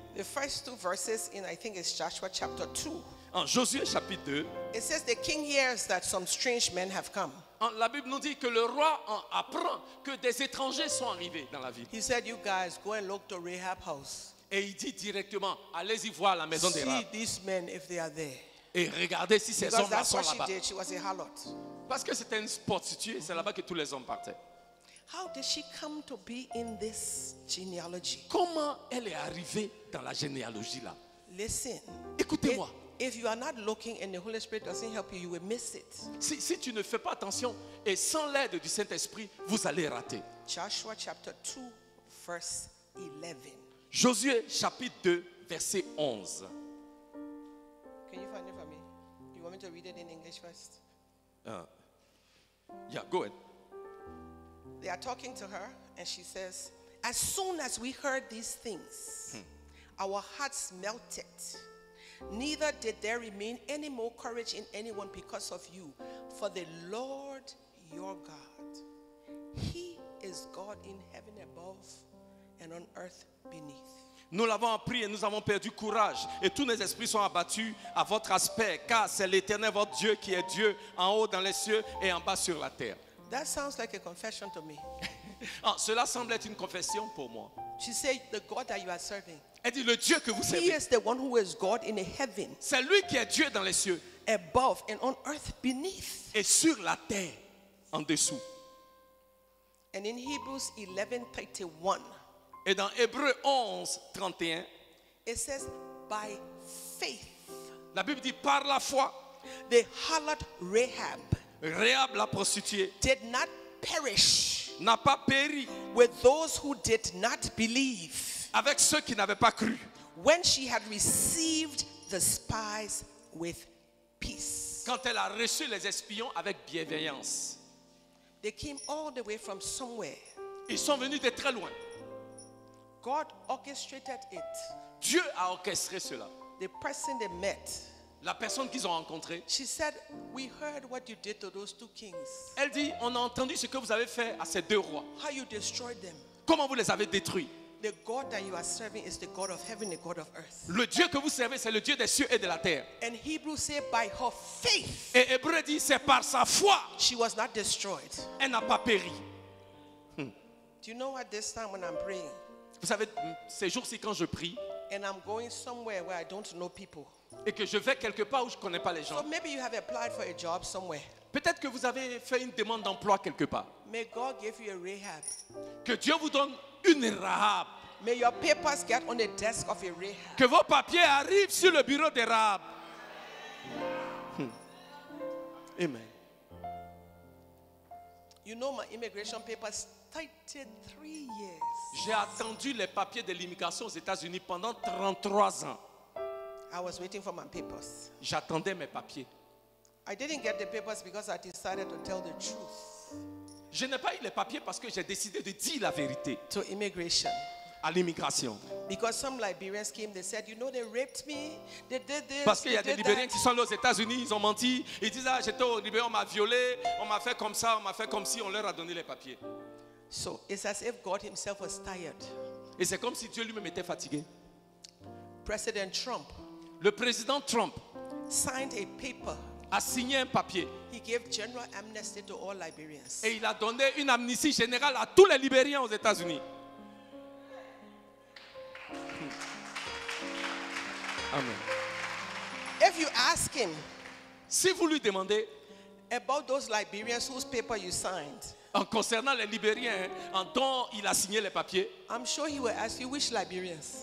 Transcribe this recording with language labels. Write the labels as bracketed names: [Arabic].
[English] the first two verses in, I think it's Joshua chapter 2. [French] En Josué chapitre 2. [English] It says the king hears that some strange men have come. [French] La Bible nous dit que le roi apprend que des étrangers sont arrivés dans la ville. [English] He said, you guys go and look to Rahab's house. [French] Et il dit directement, allez-y voir la maison de Rahab. [English] See these men if they are there. [French] Et regardez si ces [English] Because [French] hommes sont [English] she [French] là-bas. [English] Did. She was a harlot. [French] Parce que c'était une prostituée, c'est là-bas que tous les hommes partaient. [English] How did she come to be in this genealogy? [French] Comment elle est arrivée dans la généalogie là? [English] Listen. [French] Écoutez-moi. [English] If you are not looking and the Holy Spirit doesn't help you, you will miss it. [French] Si tu ne fais pas attention et sans l'aide du Saint-Esprit, vous allez rater. [English] Joshua chapter 2 verse 11. [French] Josué chapitre 2 verset 11. [English] Can you find it for me? You want me to read it in English first? Yeah, go ahead. They are talking to her, and she says, as soon as we heard these things, our hearts melted. Neither did there remain any more courage in anyone because of you. For the Lord your God, he is God in heaven above and on earth beneath. [French] Nous l'avons appris et nous avons perdu courage et tous nos esprits sont abattus à votre aspect car c'est l'Éternel votre Dieu qui est Dieu en haut dans les cieux et en bas sur la terre. [English] That sounds like a confession to me. [French] Cela semble être une confession pour moi. [English] She said the God that you are serving. [French] Elle dit le Dieu que vous servez. [English] He is the one who is God in heaven. [French] C'est lui qui est Dieu dans les cieux. [English] Above and on earth beneath. [French] Et sur la terre en dessous. [English] And in Hebrews 11:31. [French] Et dans Hébreux 11:31, [English] it says by faith. [French] La Bible dit par la foi. [English] The harlot Rahab. [French] Rahab la prostituée. [English] Did not perish. [French] N'a pas péri. [English] With those who did not believe. [French] Avec ceux qui n'avaient pas cru. [English] When she had received the spies with peace. [French] Quand elle a reçu les espions avec bienveillance. [English] They came all the way from somewhere. [French] Ils sont venus de très loin. [English] God orchestrated it. [French] Dieu a orchestré cela. [English] The person they met. [French] La personne qu'ils ont rencontrée. [English] She said, "We heard what you did to those two kings." [French] Elle dit, on a entendu ce que vous avez fait à ces deux rois. [English] How you destroyed them? [French] Comment vous les avez détruits? [English] The God that you are serving is the God of heaven, the God of earth. [French] Le Dieu que vous servez, c'est le Dieu des cieux et de la terre. [English] And Hebrews say, by her faith. [French] Et Hébreu dit, c'est par sa foi. [English] She was not destroyed. [French] Elle n'a pas péri. [English] Do you know what this time when I'm praying? [French] Vous savez, ces jours-ci, quand je prie, [English] and I'm going somewhere where I don't know people. [French] Et que je vais quelque part où je ne connais pas les gens, [English] so maybe you have applied for a job somewhere. [French] Peut-être que vous avez fait une demande d'emploi quelque part. [English] May God give you a Rahab. [French] Que Dieu vous donne une Rahab. [English] May your papers get on the desk of a Rahab. [French] Que vos papiers arrivent sur le bureau de Rahab. [English] Amen. You know my immigration papers. 33 years. [French] J'ai attendu les papiers de l'immigration aux États-Unis pendant 33 ans. [English] I was waiting for my papers. [French] J'attendais mes papiers. [English] I didn't get the papers because I decided to tell the truth. [French] Je n'ai pas eu les papiers parce que j'ai décidé de dire la vérité. [English] To immigration. [French] À l'immigration. [English] Because some Liberians came, they said, you know, they raped me. They did this. [French] Parce qu'il y a des Libériens qui sont allés aux États-Unis, ils ont menti. Ils disent, ah, j'étais au Libéria, on m'a violé, on m'a fait comme ça, on m'a fait comme si, on leur a donné les papiers. [English] So it's as if God himself was tired. [French] Et c'est comme si Dieu lui-même était fatigué. [English] President Trump. [French] Le président Trump [English] signed a paper. [French] A signé un papier. [English] He gave general amnesty to all Liberians. [French] Et il a donné une amnistie générale à tous les Libériens aux États-Unis. [English] Amen. If you ask him, [French] si vous lui demandez [English] about those Liberians whose paper you signed. [French] En concernant les Libériens, en temps il a signé les papiers. [English] I'm sure he will ask you which Liberians.